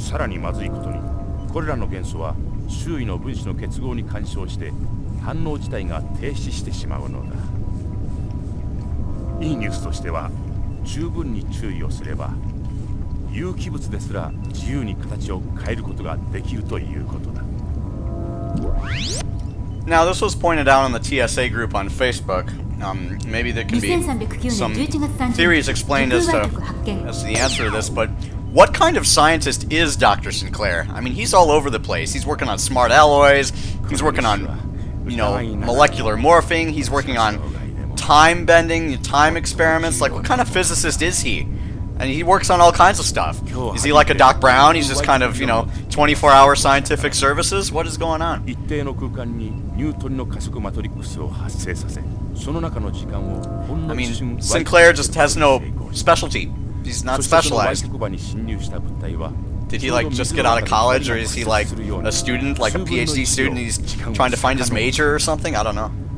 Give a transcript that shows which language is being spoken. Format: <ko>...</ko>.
<ja>さらにまずいことに、これらの元素は周囲の分子の結合に干渉して反応自体が停止してしまうのだ。いいニュースとしては、十分に注意をすれば有機物ですら自由に形を変えることができるということだ。</ja> <en>Now this was pointed out on the TSA group on Facebook. Maybe there can be some theories explained as to the answer to this, but what kind of scientist is Dr. Sinclair? I mean, he's all over the place. He's working on smart alloys, he's working on, you know, molecular morphing, he's working on time bending, time experiments. Like, what kind of physicist is he? And he works on all kinds of stuff. Is he like a Doc Brown? He's just kind of, you know, 24-hour scientific services? What is going on?</en> <ja>一定の空間にニュートンの加速マトリックスを発生させ、その中の時間をほんの一瞬、</ja> <en>Sinclair just has no specialty. He's not specialized.</en> <ja>そしてその外側に侵入した物体は、</ja> <en>Did he like just get out of college, or is he like a student, like a PhD student, he's trying to find his major or something? I don't know.</en>